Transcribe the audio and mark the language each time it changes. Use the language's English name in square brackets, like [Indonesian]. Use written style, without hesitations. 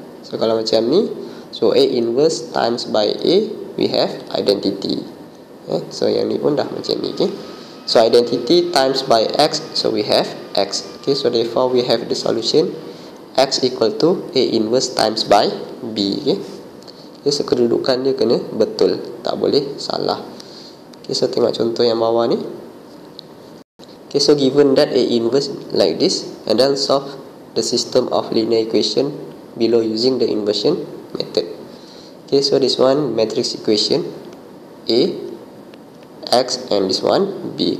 [English] So [Malay] kalau macam ni, [English] so A inverse times by A, we have identity. Okay, so [Malay] yang ni pun dah macam ni. [English] Okay. So identity times by x, so we have x. Okay, so therefore we have the solution x equal to A inverse times by b. Okay. [Malay] Okay, so kedudukan dia kena betul, tak boleh salah. Okay, so tengok contoh yang bawah ni. [English] Okay, so given that A inverse like this, and then solve the system of linear equation below using the inversion method. Okay, so this one matrix equation A x and this one b.